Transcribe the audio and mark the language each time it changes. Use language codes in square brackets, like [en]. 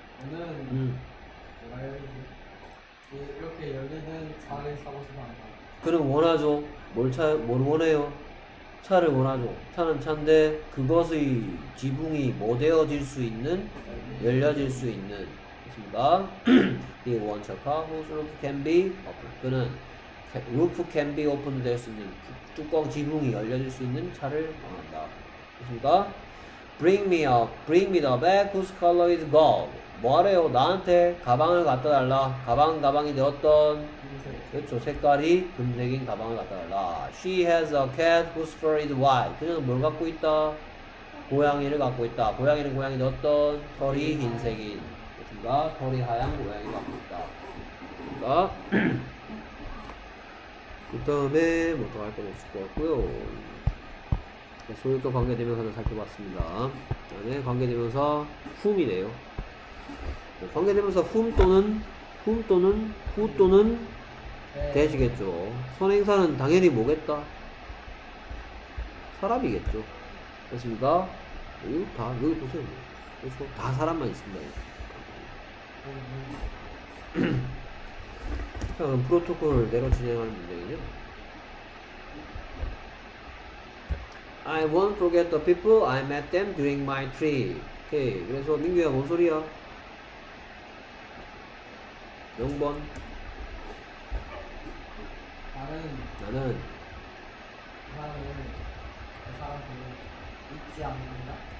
[ko] 저는 이렇게 열리는 차를 사고 싶어 한다. 그럼 원하죠. 뭘 원해요? 차를 원하죠. 차는 차인데 그것의 지붕이 모대어질 수 있는, 열려질 수 있는. 있습니다. [en] The one car whose roof can be open. [ko] 그는 [en] roof can be open [ko] 될 수 있는 뚜껑 지붕이 열려질 수 있는 차를 원한다. 있습니다. [en] Bring me the bag whose color is gold. [ko] 뭐하래요? 나한테 가방을 갖다 달라. 가방이 되었던. 그렇죠. 색깔이 금색인 가방을 갖다 달라. [en] She has a cat whose fur is white. [ko] 그녀는 뭘 갖고 있다? 고양이를 갖고 있다. 고양이는 고양이 되었던 털이 흰색인. 그렇습니다. 털이 하얀 고양이 갖고 있다. 그렇습니다. 그 다음에 뭐 더 할 건 없을 것 같고요. 소유격 관계되면서 하나 살펴봤습니다. 그 다음에 관계되면서 whom이네요. 관계되면서 whom 또는 who 또는 대시겠죠. 선행사는 당연히 뭐겠다? 사람이겠죠. 됐습니까? 이거 다, 여기 보세요. 그렇죠. 다 사람만 있습니다. 자, 그럼 프로토콜을 내려 진행하는 문제이죠. [en] I won't forget the people I met them during my trip. [ko] 오케이. 그래서 민규야, 뭔 소리야? 0번. 나는 그 사람을 잊지 않는다.